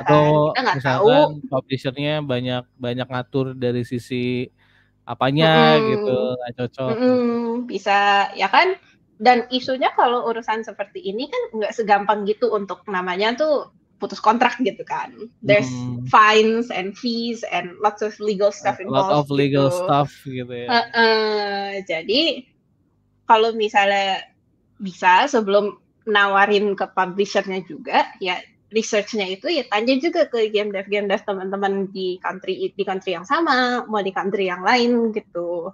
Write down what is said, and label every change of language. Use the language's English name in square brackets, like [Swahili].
[Indonesian] atau kan, kita nggak tahu. Publishernya banyak ngatur dari sisi apanya gitu, nggak cocok. Bisa, ya kan? Dan isunya kalau urusan seperti ini kan nggak segampang gitu untuk namanya tuh putus kontrak gitu kan. [English] There's fines and fees and lots of legal stuff involved. Lot of legal gitu. Stuff gitu ya. [Indonesian] Jadi kalau misalnya bisa sebelum nawarin ke publishernya juga, ya researchnya itu ya tanya juga ke game dev teman-teman di country yang sama, mau di country yang lain gitu.